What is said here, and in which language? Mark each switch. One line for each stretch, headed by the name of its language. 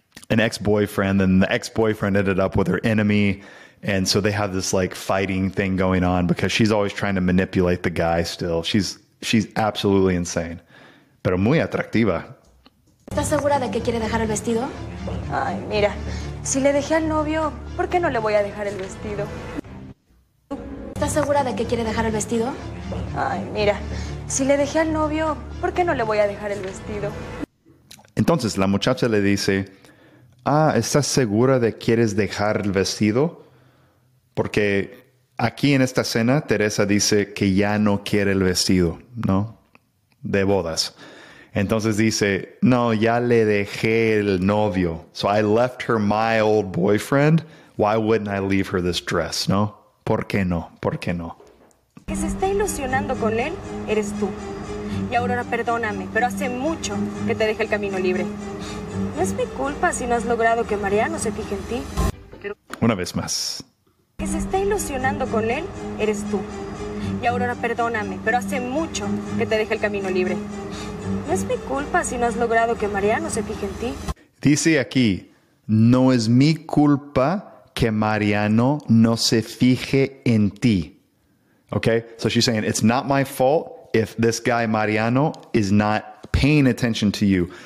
English: An ex-boyfriend, and the ex-boyfriend ended up with her enemy. And so they have this, like, fighting thing going on because she's always trying to manipulate the guy still. She's absolutely insane,
Spanish: pero muy atractiva. ¿Estás segura de que quiere dejar el vestido? Ay, mira, si le dejé al novio, ¿por qué no le voy a dejar el vestido? ¿Estás segura de que quiere dejar el vestido? Ay, mira, si le dejé al novio, ¿por qué no le voy a dejar el vestido? Entonces la muchacha le dice, ah, ¿estás segura de que quieres dejar el vestido? Porque aquí en esta escena, Teresa dice que ya no quiere el vestido, ¿no? De bodas. Entonces dice, no, ya le dejé el novio.
English: So I left her my old boyfriend. Why wouldn't I leave her this dress, ¿no?
Spanish: ¿Por qué no? ¿Por qué no? Que se está ilusionando con él, eres tú. Y Aurora, perdóname, pero hace mucho que te dejé el camino libre. No es mi culpa si no has logrado que Mariano se fije en ti. Una vez más. Que se está ilusionando con él, eres tú. Y Aurora, perdóname, pero hace mucho que te dejé el camino libre. No es mi culpa si no has logrado que Mariano se fije en ti. Dice aquí, no es mi culpa que Mariano no se fije en ti.
English: Okay? So she's saying, it's not my fault if this guy Mariano is not paying attention to you.